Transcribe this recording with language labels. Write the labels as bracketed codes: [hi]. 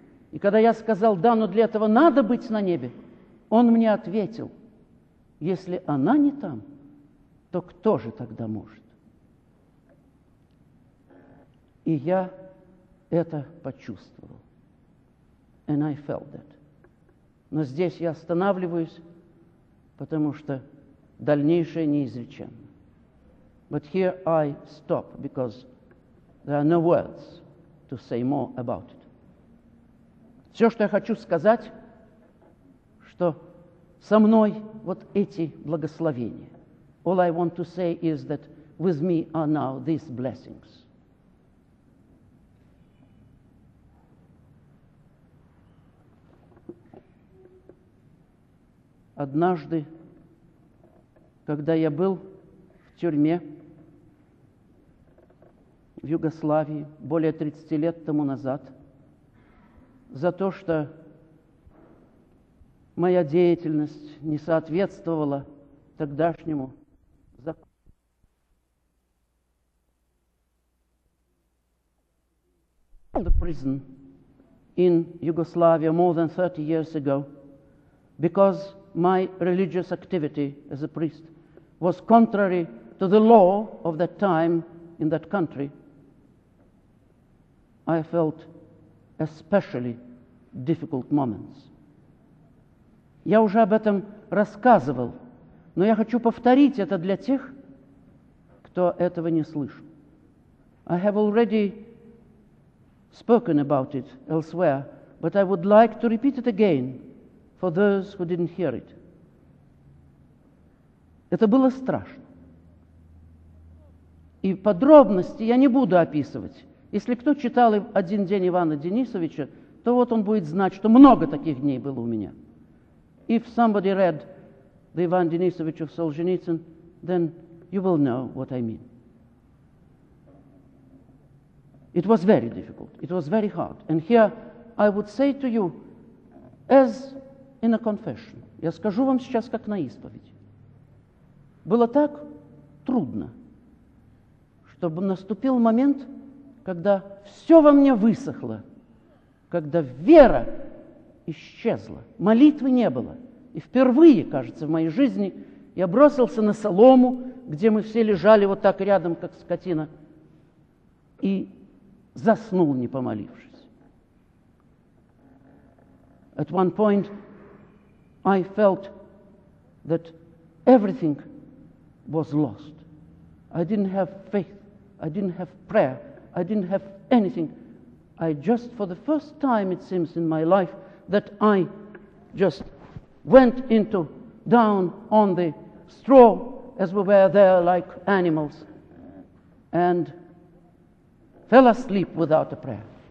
[ru] И когда я сказал: да, но для этого надо быть на небе, он мне ответил: если она не там, то кто же тогда может? И я это почувствовал. [en] And I felt that. [ru] Но здесь я останавливаюсь, потому что дальнейшее неизреченно. [en] But here I stop, because there are no words to say more about it. [ru] Все, что я хочу сказать, что со мной вот эти благословения. [en] All I want to say is that with me are now these blessings. [ru] Однажды, когда я был в тюрьме в Югославии более 30 лет тому назад, за то, что моя деятельность не соответствовала тогдашнему закону. [en] The prison in Yugoslavia more than 30 years ago, because my religious activity as a priest was contrary to the law of that time in that country, I felt especially difficult moments. [ru] Я уже об этом рассказывал, но я хочу повторить это для тех, кто этого не слышал. [en] I have already spoken about it elsewhere, but I would like to repeat it again for those who didn't hear it. [ru] Это было страшно. И подробности я не буду описывать. Если кто читал «Один день Ивана Денисовича», то вот он будет знать, что много таких дней было у меня. [en] If somebody read the Ivan Denisovich of Solzhenitsyn, then you will know what I mean. It was very difficult. It was very hard. And here I would say to you, as in a confession, [ru] я скажу вам сейчас как на исповеди. Было так трудно, чтобы наступил момент, когда все во мне высохло, когда вера исчезла, молитвы не было. И впервые, кажется, в моей жизни я бросился на солому, где мы все лежали вот так рядом, как скотина, и заснул, не помолившись. [en] At one point I felt that everything was lost. I didn't have faith, I didn't have prayer, I didn't have anything. I just, for the first time, it seems, in my life, that I just went into down on the straw as we were there like animals and fell asleep without a prayer.